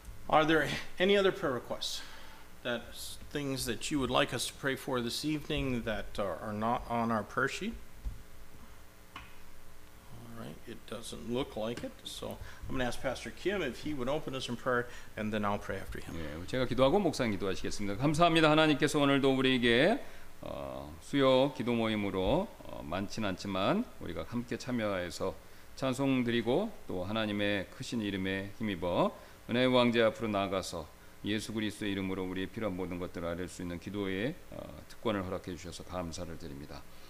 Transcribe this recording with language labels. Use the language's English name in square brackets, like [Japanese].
[English] Are there any other prayer requests? That things that you would like us to pray for this evening that are not on our prayer sheet. All right, it doesn't look like it. So I'm going to ask Pastor Kim if he would open us in prayer, and then I'll pray after him. [Korean] 예, 제가 기도하고 목사님 기도하시겠습니다. 감사합니다. 하나님께서 오늘도 우리에게 수요 기도 모임으로 많진 않지만 우리가 함께 참여해서 찬송 드리고 또 하나님의 크신 이름에 힘입어 은혜의 왕좌 앞으로 나아가서. 예수 그리스도의 이름으로 우리의 필요한 모든 것들을 아뢸 수 있는 기도의 특권을 허락해 주셔서 감사를 드립니다.